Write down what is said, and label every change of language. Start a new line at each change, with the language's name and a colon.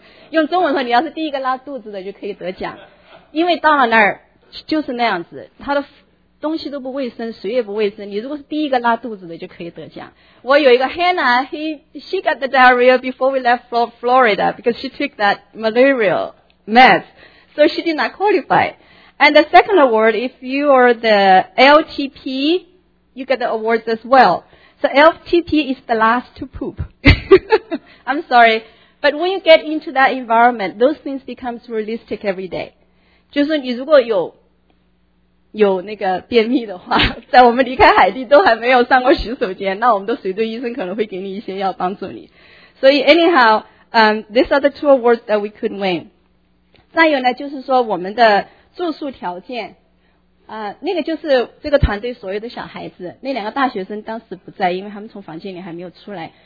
Chinese: 用中文说，你要是第一个拉肚子的就可以得奖，因为到了那儿就是那样子，他的。东西都不卫生，水也不卫生，你如果是第一个拉肚子的就可以得奖。我有一个
English: Hannah， she got the diarrhea before we left Florida because she took that malaria mess. So she did not qualify. And the second award, if you are the LTP, you get the awards as well. So LTP is the last to poop. I'm sorry. But when you get into that environment, those things become realistic every day.
Chinese: 就是你如果有那个便秘的话，在我们离开海地都还没有上过洗手间，那我们的随队医生可能会给你一些药帮助你。所以
English: anyhow， these are the 2 awards that we could win。
Chinese: 再有呢，就是说我们的住宿条件，那个就是这个团队所有的小孩子，那两个大学生当时不在，因为他们从房间里还没有出来。